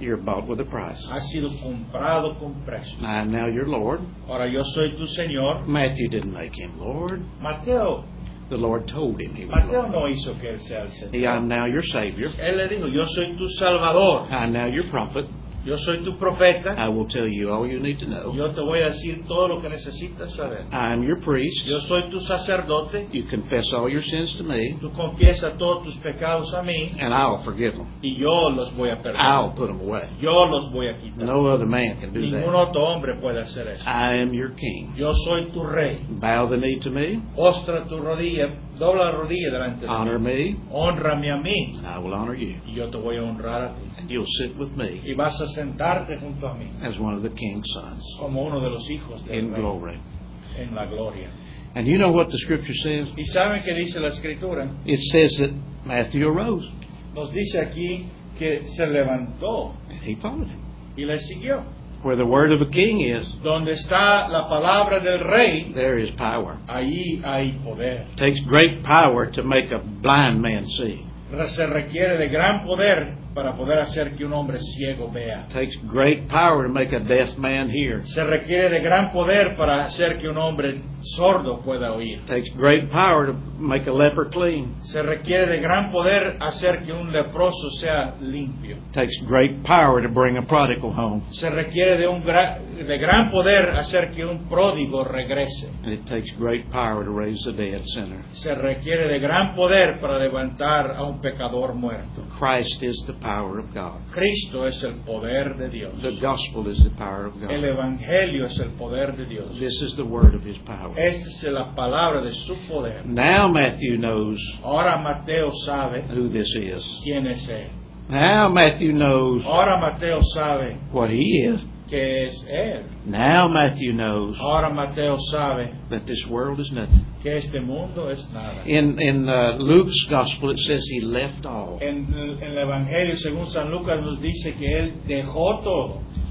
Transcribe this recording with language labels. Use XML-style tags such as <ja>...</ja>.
<en>You're bought with a price.</en> <es>Has sido comprado con precio.</es> <en>I am now your Lord.</en> <es>Ahora yo soy tu señor.</es> <en>Matthew didn't make him Lord.</en> <es>Mateo</es> <en>The Lord told him he was</en> <es>Mateo</es> <en>Lord.</en> <es>No hizo que él sea el Señor.</es> <en>He, I'm now your Savior.</en> <es>Él le dijo, yo soy tu Salvador.</es> <en>I'm now your prophet.</en> <es>Yo soy tu profeta.</es> <en>I will tell you all you need to know.</en> <es>Yo te voy a decir todo lo que necesitas saber.</es> <en>I'm your priest.</en> <es>Yo soy tu sacerdote.</es> <en>You confess all your sins to me.</en> <es>Tú confiesas todos tus pecados a mí.</es> <en>And I'll forgive them.</en> <es>Y yo los voy a perdonar.</es> <en>I'll put them away.</en> <es>Yo los voy a quitar.</es> <en>No other man can do</en> <es>Ningún</es> <en>that.</en> <es>Ningún otro hombre puede hacer eso.</es> <en>I am your king.</en> <es>Yo soy tu rey.</es> <en>Bow the knee to me.</en> <es>Postra tu rodilla. Dobla la rodilla delante de</es> <en>honor me.</en> <es>Honrame a mí.</es> <en>And I will honor you.</en> <es>Y yo te voy a honrar a ti.</es> <en>And you'll sit with me.</en> <es>Y vas a sentarte junto a mí.</es> <en>As one of the king's sons.</en> <es>Como uno de los hijos del</es> <en>In</en> <es>rey.</es> <en>Glory.</en> <es>En la gloria.</es> <en>And you know what the scripture says?</en> <es>¿Y saben qué dice la escritura?</es> <en>It says that Matthew arose.</en> <es>Nos dice aquí que se levantó.</es> <en>And he followed him.</en> <es>Y le siguió.</es> <en>Where the word of a king is,</en> <es>donde está la palabra del rey,</es> <en>there is power.</en> <es>Ahí hay poder.</es> <en>It takes great power to make a blind man see.</en> <es>Se requiere de gran poder para poder hacer que un hombre ciego vea.</es> <en>It takes great power to make a deaf man hear.</en> <es>Se requiere de gran poder para hacer que un hombre sordo pueda oír.</es> <en>It takes great power to make a leper clean.</en> <es>Se requiere de gran poder hacer que un leproso sea limpio.</es> <en>It takes great power to bring a prodigal home.</en> <es>Se requiere de gran poder hacer que un pródigo regrese.</es> <en>And it takes great power to raise a dead sinner.</en> <es>Se requiere de gran poder para levantar a un pecador muerto.</es> <en>Christ is the power of God.</en> <es>Cristo es el poder de Dios.</es> <en>The gospel is the power of God.</en> <es>El evangelio es el poder de Dios.</es> <en>This is the word of his power.</en> <es>Esta es la palabra de su poder.</es> <en>Now Matthew knows.</en> <es>Ahora Mateo sabe</es> <en>who this is.</en> <es>Quién es él.</es> <en>Now Matthew knows.</en> <es>Ahora Mateo sabe</es> <en>what he is.</en> <es>Que es él.</es> <en>Now Matthew knows.</en> <es>Ahora Mateo sabe</es> <en>that this world is nothing.</en> <es>Que este mundo es nada.</es> <en>In Luke's gospel it says he left all.</en> <es>En el evangelio según San Lucas nos dice que él dejó todo.</es>